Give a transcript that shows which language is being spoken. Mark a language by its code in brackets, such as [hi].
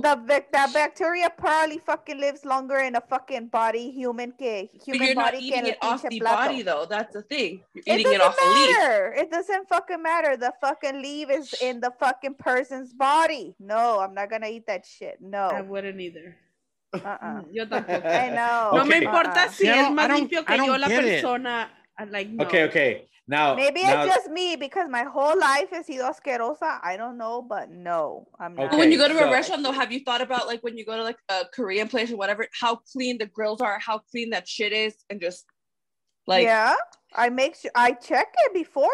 [en] The bacteria probably fucking lives longer in a fucking body, human body. But you're not eating it off the body, though. That's the thing. You're eating it off the leaf. It doesn't fucking matter. The fucking leaf is in the fucking person's body. No, I'm not going to eat that shit. No. I wouldn't either. I know. [es] No me importa si es más limpio que yo la persona. [en] I'm like, no. Okay. Now, maybe now, it's just me because my whole life is [es] sido asquerosa. [en] I don't know, but no, I'm not. Okay, when you go to a restaurant, though, have you thought about like when you go to like a Korean place or whatever, how clean the grills are, how clean that shit is, and just like. Yeah, I make sure I check it before.